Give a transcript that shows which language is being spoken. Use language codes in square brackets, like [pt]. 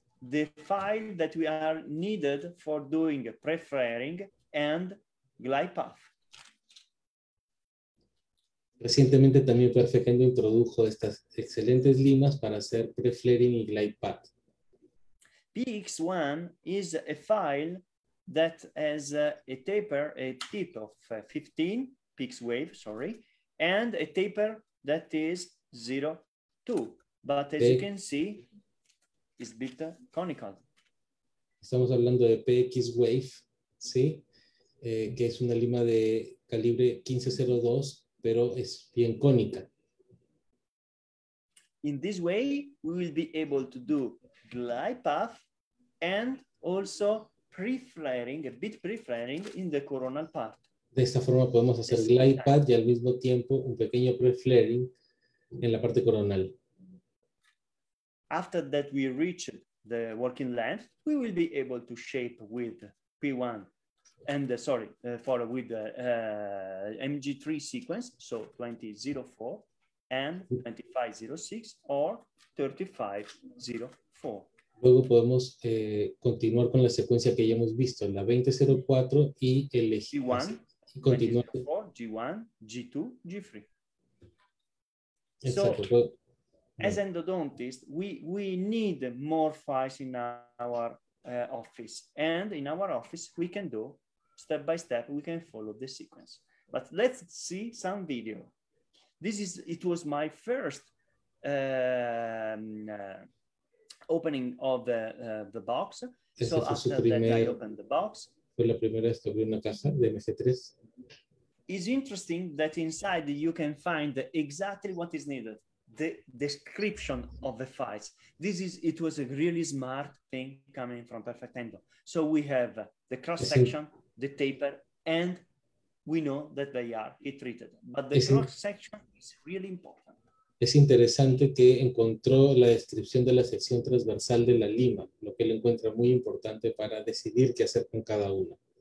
[en] the file that we are needed for doing pre-flaring and glide path. [es] Recientemente también Perfecto introdujo estas excelentes limas para hacer pre-flaring y glide path. [en] PX1 is a file that has a taper, a tip of 15, PX wave, sorry, and a taper that is 0.2. But as you can see, it's a bit conical. [es] Estamos hablando de PX wave, ¿sí? Que es una lima de calibre 15.02, pero es bien cónica. [en] In this way, we will be able to do glide path and also pre-flaring, a bit pre-flaring in the coronal part. [es] De esta forma podemos hacer glide path y al mismo tiempo un pequeño pre-flaring en la parte coronal. [en] After that we reach the working length, we will be able to shape with P1 and for with the MG3 sequence, so 20.04 and 25.06 or 35.04. [es] Luego podemos continuar con la secuencia que ya hemos visto, la 20.04 y el G1, continuar. 24, G1, G2, G3. Exacto. [en] So, as endodontists, we need more files in our office. And in our office, we can do step by step, we can follow the sequence. But let's see some video. It was my first opening of the box. So after that, I opened the box. [es] Fue la primera vez que abrí una caja de MC3. [en] It's interesting that inside you can find exactly what is needed. The description of the files. It was a really smart thing coming from Perfect Endo. So we have the cross section, the taper, and we know that they are heat treated. But the cross section is really important. [es] Es interesante que encontró la descripción de la sección transversal de la lima, lo que él encuentra muy importante para decidir qué hacer con cada una.